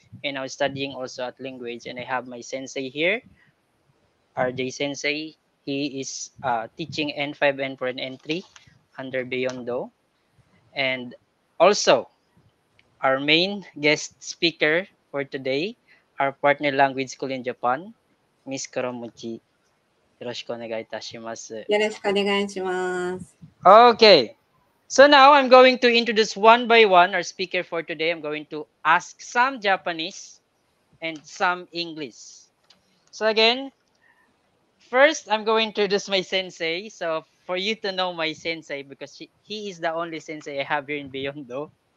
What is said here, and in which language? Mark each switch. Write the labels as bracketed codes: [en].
[en] And I was studying also at Linguage, and I have my sensei here, RJ Sensei. He is teaching N5, N4, and N3 under Beyondo. And also, our main guest speaker for today, our partner language school in Japan, Ms. Koromochi. [ja] よろしくお願いいたします。よろしくお願いします。 [en] Okay. So now I'm going to introduce one by one our speaker for today. I'm going to ask some Japanese and some English. So again, first I'm going to introduce my sensei. So for you to know my sensei, because he is the only sensei I have here in Beyondo.